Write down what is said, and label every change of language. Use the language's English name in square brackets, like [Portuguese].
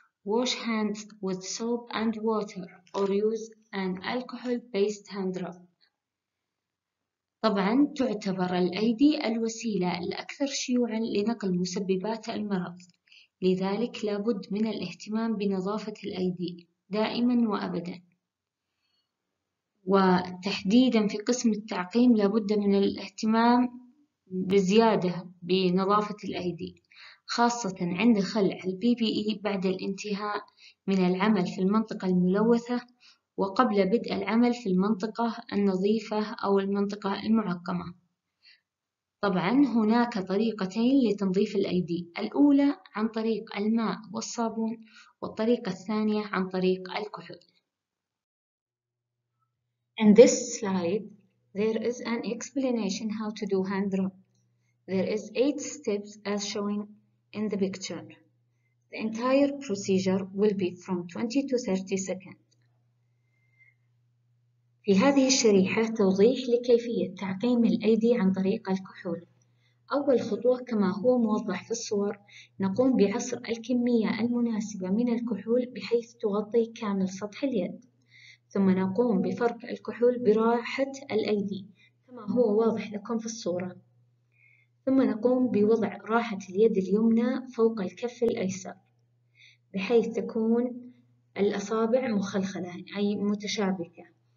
[English] Wash hands with soap and water or use an alcohol-based hand rub. [Arabic] طبعاً تعتبر الأيدي الوسيلة الأكثر شيوعاً لنقل مسببات المرض، لذلك لابد من الاهتمام بنظافة الأيدي دائماً وأبداً. وتحديدا في قسم التعقيم لابد من الاهتمام بزيادة بنظافة الأيدي، خاصة عند خلع البي بي اي بعد الانتهاء من العمل في المنطقة الملوثة وقبل بدء العمل في المنطقة النظيفة أو المنطقة المعقمة. طبعا هناك طريقتين لتنظيف الأيدي، الأولى عن طريق الماء والصابون، والطريقة الثانية عن طريق الكحول. [English] In this slide, there is an explanation how to do hand rub. There is 8 steps as shown in the picture. The entire procedure will be from 20 to 30 seconds. [Arabic] في هذه الشريحة توضيح لكيفية تعقيم الأيدي عن طريق الكحول. أول خطوة كما هو موضح في الصور، نقوم بعصر الكمية المناسبة من الكحول بحيث تغطي كامل سطح اليد، ثم نقوم بفرك الكحول براحة الأيدي كما هو واضح لكم في الصورة، ثم نقوم بوضع راحة اليد اليمنى فوق الكف الأيسر بحيث تكون الأصابع مخلخلة أي متشابكة،